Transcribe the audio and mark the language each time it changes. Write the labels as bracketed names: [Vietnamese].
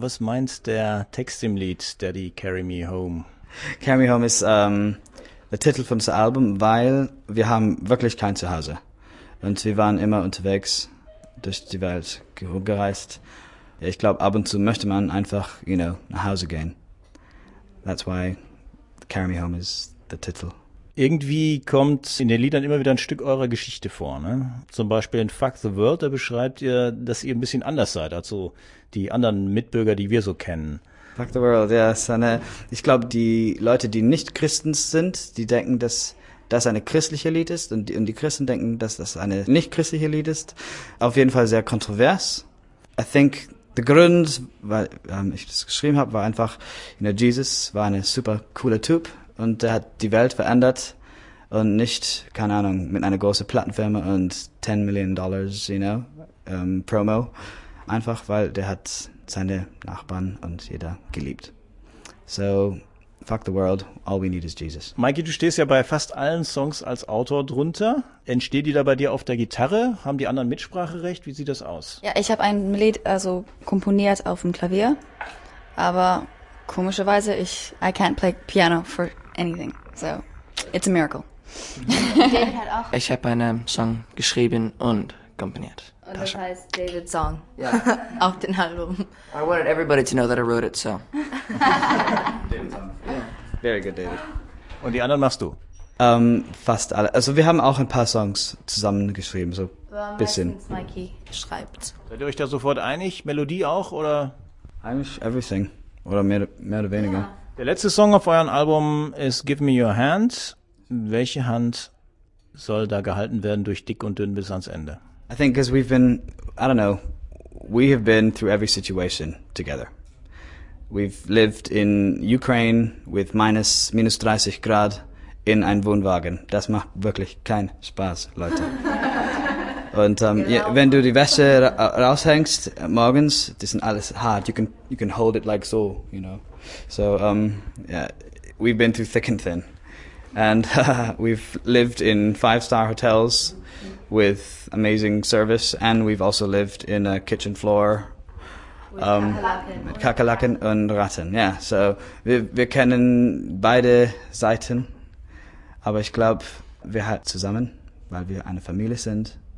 [German] Was meint der Text im Lied, Daddy, Carry Me Home? Carry Me Home ist der Titel von unserem Album, weil wir haben wirklich kein Zuhause. Und wir waren immer unterwegs, durch die Welt gereist. Ja, ich glaube, ab und zu möchte man einfach, [English] you know, [German] nach Hause gehen. [English] That's why Carry Me Home is the title. [German] Irgendwie kommt in den Liedern immer wieder ein Stück eurer Geschichte vor, ne? Zum Beispiel in Fuck the World, da beschreibt ihr, dass ihr ein bisschen anders seid als so die anderen Mitbürger, die wir so kennen. Fuck the World, ja, ist eine, ich glaube, die Leute, die nicht Christen sind, die denken, dass das ein christliches Lied ist und die Christen denken, dass das ein nicht christliches Lied ist. Auf jeden Fall sehr kontrovers. [English] I think the [German] Grund, weil ich das geschrieben habe, war einfach, [English] you know, [German] Jesus war ein super cooler Typ. Und er hat die Welt verändert und nicht, keine Ahnung, mit einer großen Plattenfirma und $10 million, [English] you know, [German] Promo. Einfach, weil der hat seine Nachbarn und jeder geliebt. [English] So, fuck the world, all we need is Jesus. [German] Mikey, du stehst ja bei fast allen Songs als Autor drunter. Entsteht die da bei dir auf der Gitarre? Haben die anderen Mitspracherecht? Wie sieht das aus? Ja, ich habe ein Lied also komponiert auf dem Klavier, aber komischerweise, [English] I can't play piano for anything, so it's a miracle. [German] Ich habe einen Song geschrieben und komponiert. Und das heißt David's Song. [English] Yeah. [German] Auf dem Album. [English] I wanted everybody to know that I wrote it, so. David's Song. Yeah. Very good, David. [German] Und die anderen machst du? Fast alle. Also wir haben auch ein paar Songs zusammen geschrieben, so ein bisschen. Mikey schreibt. Seid ihr euch da sofort einig? Melodie auch, oder? Eigentlich [English] everything. [German] Oder mehr oder weniger. Ja. Der letzte Song auf eurem Album ist Give Me Your Hand. Welche Hand soll da gehalten werden durch dick und dünn bis ans Ende? [English] I think because we've been, I don't know, we have been through every situation together. We've lived in Ukraine with minus 30 [German] Grad in einem Wohnwagen. Das macht wirklich keinen Spaß, Leute. Und genau. Wenn du die Wäsche raushängst morgens, das sind alles hart. [English] You can hold it like so, you know. So yeah, we've been through thick and thin, and we've lived in 5-star hotels with amazing service, and we've also lived in a kitchen floor with [German] Kakerlaken und Ratten. Yeah, so wir kennen beide Seiten, aber ich glaube, wir halt zusammen, weil wir eine Familie sind.